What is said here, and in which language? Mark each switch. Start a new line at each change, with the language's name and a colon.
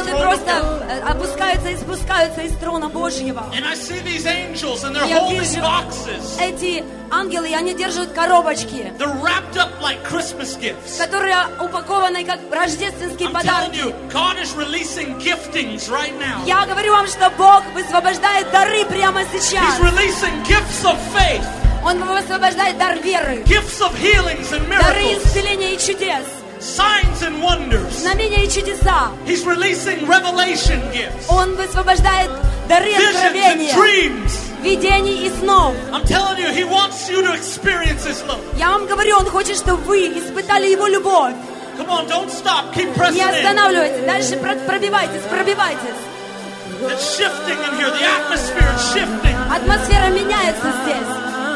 Russian: Ангелы просто опускаются и спускаются из трона Божьего.
English: And I see these angels and they're holding boxes.
Russian: Эти ангелы, они держат коробочки.
English: They're wrapped up like Christmas gifts.
Russian: Которые упакованы как рождественские подарки.
English: I'm telling you, God is releasing giftings right now.
Russian: Я говорю вам, что Бог высвобождает дары прямо сейчас.
English: He's releasing gifts of faith.
Russian: Он высвобождает дар веры.
English: Gifts of healings and miracles.
Russian: Дары исцеления и чудес.
English: Signs and wonders.
Russian: Знамения и чудеса.
English: He's releasing revelation gifts.
Russian: Он высвобождает дары откровения.
English: Dreams.
Russian: Видений и снов.
English: I'm telling you, he wants you to experience his love.
Russian: Я вам говорю, он хочет, чтобы вы испытали его любовь.
English: Come on, don't stop. Keep pressing.
Russian: Не останавливайтесь. Дальше пробивайтесь, пробивайтесь.
English: It's shifting in here. The atmosphere is shifting.
Russian: Атмосфера меняется здесь.